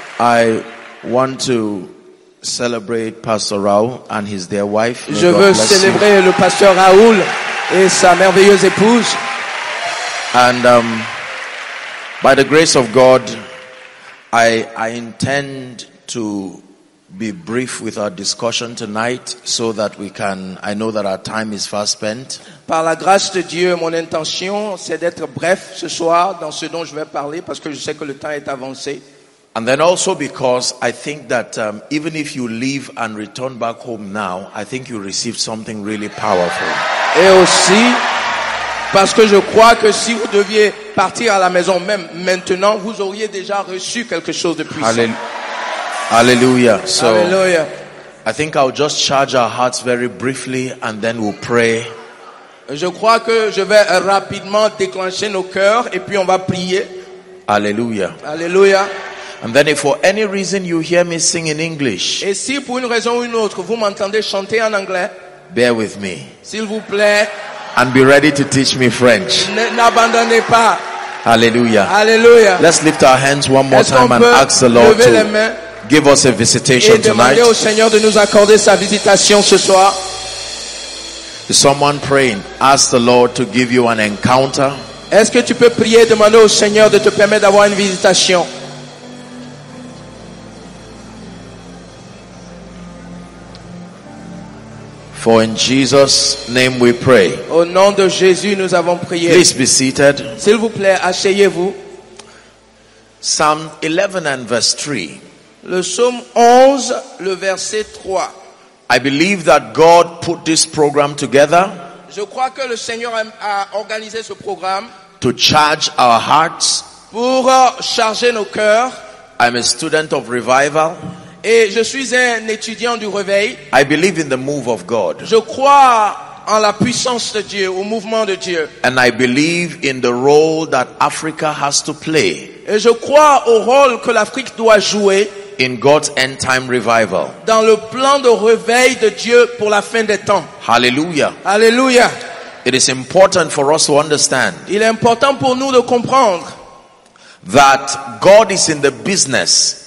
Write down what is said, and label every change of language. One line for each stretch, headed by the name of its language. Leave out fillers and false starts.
English: I want to celebrate Pastor Raoul and his dear wife.
French: Je veux célébrer le pasteur Raoul et sa merveilleuse épouse.
English: And by the grace of God, I intend to be brief with our discussion tonight so that we can, I know that our time is far spent.
French: Par la grâce de Dieu, mon intention c'est d'être bref ce soir dans ce dont je vais parler parce que je sais que le temps est avancé.
English: And then also because I think that even if you leave and return back home now, I think you receive something really powerful.
French: Et aussi parce que je crois que si vous deviez partir à la maison même maintenant, vous auriez déjà reçu quelque chose de puissant.
English: Hallelujah. So Hallelujah. I think I'll just charge our hearts very briefly and then we'll pray.
French: Je crois que je vais rapidement déclencher nos cœurs et puis on va prier.
English: Hallelujah. Hallelujah. And then if for any reason you hear me sing in English.
French: Et si pour une raison ou une autre vous m'entendez chanter en anglais.
English: Bear with me.
French: S'il vous plaît.
English: And be ready to teach me French.
French: N'abandonnez pas.
English: Hallelujah. Hallelujah. Let's lift our hands one more
French: Est-ce
English: time and ask the Lord
French: lever
English: to
French: les mains?
English: Give us a visitation
French: et demander
English: tonight.
French: Au Seigneur de nous accorder sa visitation ce soir.
English: Someone praying, ask the Lord to give you an encounter.
French: Est-ce que tu peux prier et demander au Seigneur de te permettre d'avoir une visitation?
English: For in Jesus' name we pray.
French: Au nom de Jésus, nous avons prié.
English: Please be seated.
French: S'il vous plaît, asseyez-vous.
English: Psalm 11 and verse 3.
French: Le psaume 11, le verset 3.
English: I believe that God put this program together.
French: Je crois que le Seigneur a organisé ce programme.
English: To charge our hearts.
French: Pour charger nos cœurs.
English: I'm a student of revival.
French: Et je suis un étudiant du réveil.
English: I believe in the move of God.
French: Je crois en la puissance de Dieu, au mouvement de Dieu.
English: And I believe in the role that Africa has to play.
French: Et je crois au rôle que l'Afrique doit jouer.
English: In God's end time revival.
French: Dans le plan de réveil de Dieu pour la fin des temps.
English: Hallelujah. Hallelujah. It is important for us to understand.
French: Il est important pour nous de comprendre.
English: That God is in the business.